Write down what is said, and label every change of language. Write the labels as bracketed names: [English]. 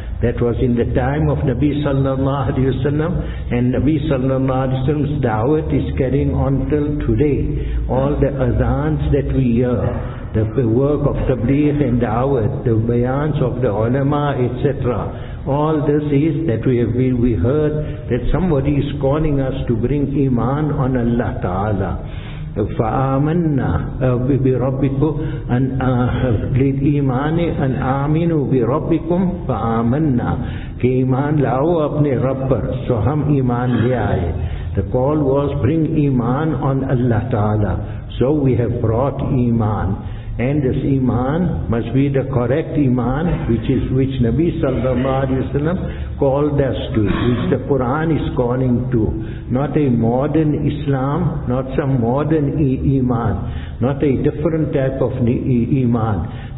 [English] That was in the time of Nabi sallallahu alaihi wasallam, and Nabi sallallahu alaihi wasallam's da'wah is carrying on till today. All the azans that we hear, the work of tabligh and da'wah, the bayans of the ulama, etc. All this is that we heard that somebody is calling us to bring Iman on Allah Ta'ala. [Arabic] فَآمَنَّا بِرَبِّكُمْ أَنْ لِلْإِيمَانِ أَنْ آمِنُوا بِرَبِّكُمْ فَآمَنَّا [Urdu] کہ ایمان لاؤ اپنے رب پر سو ہم ایمان لے آئے. [English] The call was bring Iman on Allah Ta'ala, so we have brought Iman. And this Iman must be the correct Iman which Nabi sallallahu alayhi wa sallam called us to, which the Quran is calling to. Not a modern Islam, not some modern Iman, not a different type of Iman.